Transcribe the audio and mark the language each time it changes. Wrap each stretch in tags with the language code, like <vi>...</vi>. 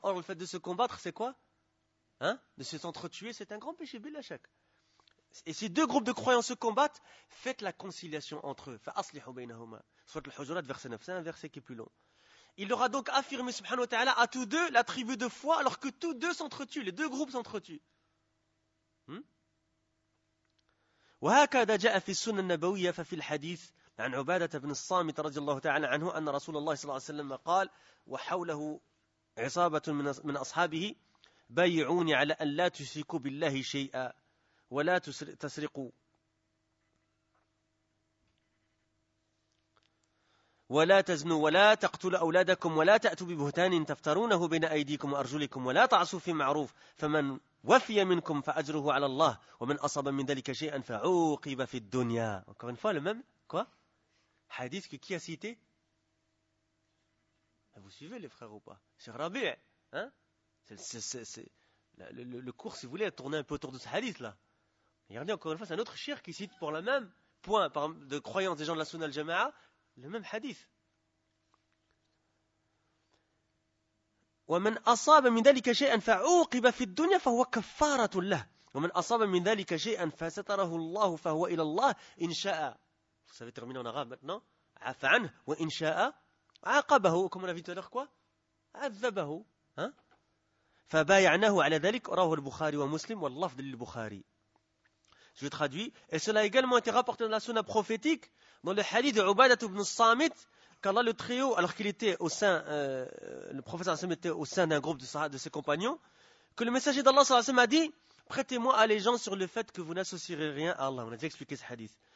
<fr>Or le fait de se combattre, c'est quoi? Hein? De s'entretuer, c'est un grand péché, bilachak. Et ces deux groupes de croyants se combattent, faites la conciliation entre eux.</fr> <ar>Fa'aslihu baynahuma.</ar> <fr>Surat al-Hujurat, verset 9. C'est un verset qui est plus long. Il leur a donc affirmé, subhanahu wa ta'ala, à tous deux la tribu de foi, alors que tous deux s'entretuent, les deux groupes s'entretuent.</fr> <ar>وهكذا جاء في السنة النبوية ففي الحديث عن عبادة بن الصامت رضي الله تعالى عنه أن رسول الله صلى الله عليه وسلم قال وحوله عصابة من أصحابه بايعوني على أن لا تشركوا بالله شيئا ولا تسرقوا ولا تزنوا ولا تقتلوا أولادكم ولا تأتوا ببهتان تفترونه بين أيديكم وأرجلكم ولا تعصوا في معروف فمن وفي منكم فأجره على الله ومن أصاب من ذلك شيئا فعوقب في الدنيا.</ar> <fr>Encore une fois le même quoi? Hadith que qui a cité? Vous suivez les frères ou pas? Cheikh Rabi', hein? Le cours, si vous voulez, a tourné un peu autour de ce hadith là. Regardez encore une fois, c'est un autre cheikh qui cite pour le même point de croyance des gens de la Sunna al-Jama'a le même hadith.</fr> <ar>ومن أصاب من ذلك شيئا فعوقب في الدنيا فهو كفارة له ومن أصاب من ذلك شيئا فستره الله فهو إلى الله إن شاء.</ar> <fr>Vous savez terminer en arabe maintenant.</fr> <ar>عفا عنه وإن شاء عاقبه.</ar> <fr>Comme on a vu tout à l'heure quoi?</fr> <ar>عذبه. فبايعناه على ذلك رواه البخاري ومسلم واللفظ للبخاري.</ar> <fr>Je traduis. Et cela a également été rapporté dans la sunna prophétique dans le hadith de Ubadah ibn Samit qu'Allah le Très-Haut, alors qu'il était au sein, le prophète sallam était au sein d'un groupe de ses compagnons, que le messager d'Allah sallam a dit, prêtez-moi allégeance sur le fait que vous n'associerez rien à Allah. On a déjà expliqué ce hadith.</fr>